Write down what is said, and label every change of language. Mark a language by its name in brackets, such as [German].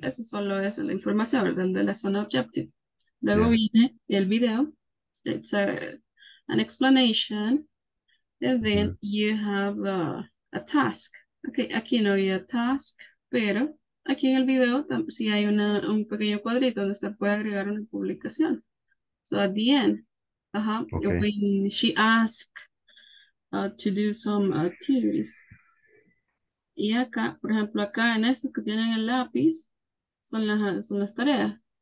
[Spanish] Eso solo es la información del lesson objective. Luego viene el video. [English] It's an explanation. And then you have a task. [Spanish] Okay, aquí no hay [English] a task, [Spanish] pero aquí en el video sí hay un pequeño cuadrito donde se puede agregar una publicación. [English] So at the end, when she asks to do some activities. [Spanish] Y acá, por ejemplo, acá en estos que tienen el lápiz, son las tareas.